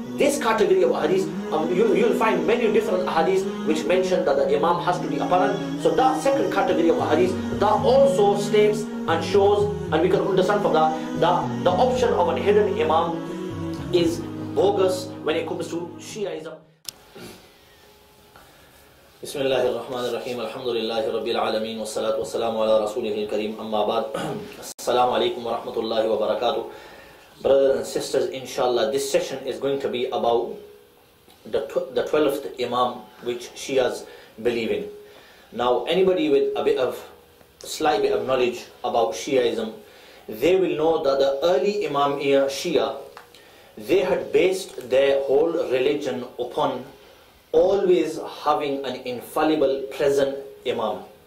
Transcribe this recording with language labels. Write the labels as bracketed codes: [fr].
[en] This category of hadith, you'll find many different hadiths which mention that the imam has to be apparent. So that second category of hadith, that also states and shows, and we can understand from that the option of a hidden imam is bogus when it comes to Shiaism. [ar] بسم الله الرحمن الرحيم الحمد لله رب العالمين والصلاة والسلام على رسوله الكريم أما بعد السلام عليكم ورحمة الله وبركاته. [en] Brothers and sisters, inshallah, this session is going to be about the 12th Imam which Shias believe in. Now, anybody with a slight bit of knowledge about Shiaism, they will know that the early Imam Shia, they had based their whole religion upon always having an infallible present Imam.